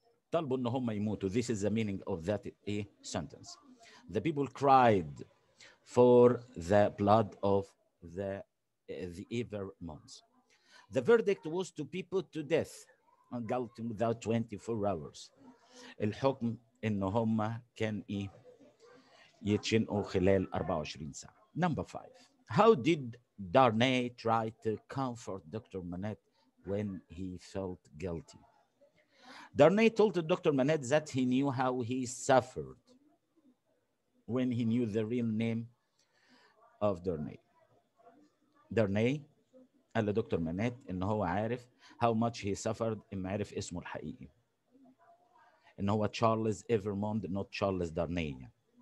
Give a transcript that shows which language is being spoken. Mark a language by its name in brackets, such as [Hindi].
[Arabic] طلبوا ان هم يموتوا. [English] This is the meaning of that sentence. The people cried for the blood of the Evermonts. The verdict was to be put to death and galt without 24 hours. [Arabic] الحكم إنه هما كان يتشنقوا خلال 24 ساعة. [English] Number five. How did Darnay try to comfort Dr. Manette when he felt guilty? Darnay told Dr. Manette that he knew how he suffered when he knew the real name of Darnay. [Arabic] Darnay قال لدكتور مانيت ان هو عارف [English] how much he suffered [Arabic] اما عارف اسمه الحقيقي ان هو تشارلز إيفرموند [English] not [Arabic] تشارلز دارنيه.